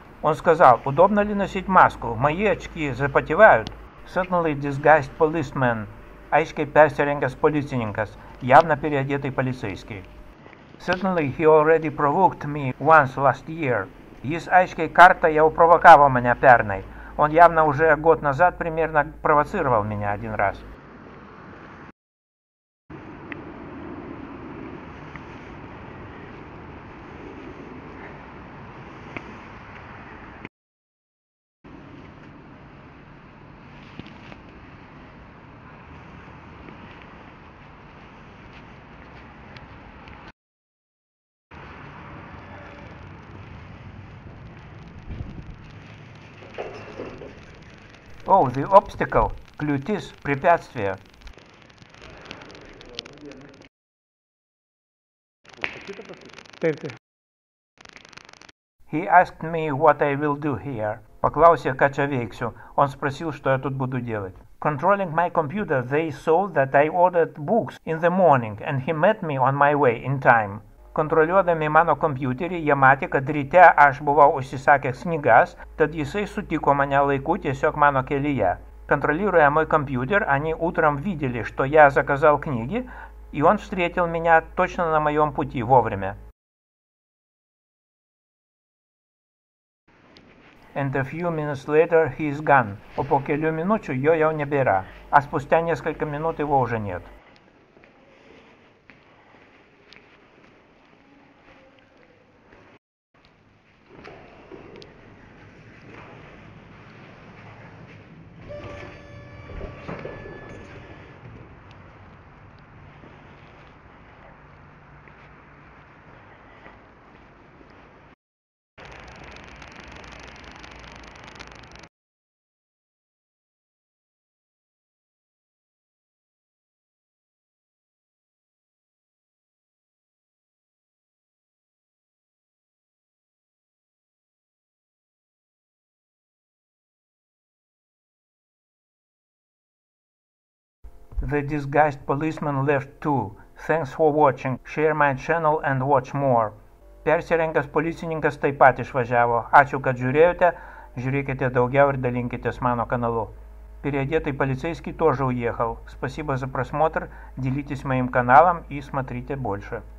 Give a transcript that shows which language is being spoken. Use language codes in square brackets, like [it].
[ru] Он сказал, удобно ли носить маску? Мои очки запотевают. [en] Suddenly disguised policeman. [lt] Aiškiai persirengęs policininkas. [ru] Явно переодетый полицейский. [en] Suddenly he already provoked me once last year. [lt] Jis aiškiai kartą jau provokavo mane pernai. [ru] Он явно уже год назад примерно провоцировал меня один раз. [en] Oh, the obstacle, kliūtis, препятствие. He asked me what I will do here. [lt] Paklausė, ką čia veiksiu. [ru] Он спросил, что я тут буду делать. [en] controlling my computer, they saw that I ordered books in the morning, and he met me on my way in time. [lt] Kontroliuodami mano kompiuterį, jie matė, kad ryte aš buvau užsisakęs knygas, tad jisai sutiko mane laiku tiesiog mano kelyje. Kontroliuoja mano kompiuterį, [ru] они утром видели, что я заказал книги, и он встретил меня точно на моем пути вовремя. [en] And a few minutes later he is gone. [lt] O po kelių minučių jo jau nebėra. [ru] А спустя несколько минут его уже нет. [en] The disguised policeman left too. Thanks for watching. Share my channel and watch more. [lt] Persirengęs policininkas taip pat išvažiavo. Ačiū, kad žiūrėjote. Žiūrėkite daugiau ir dalinkitės mano kanalu. [ru] Переодетый полицейский тоже уехал. Спасибо за просмотр. Делитесь моим каналом и смотрите больше.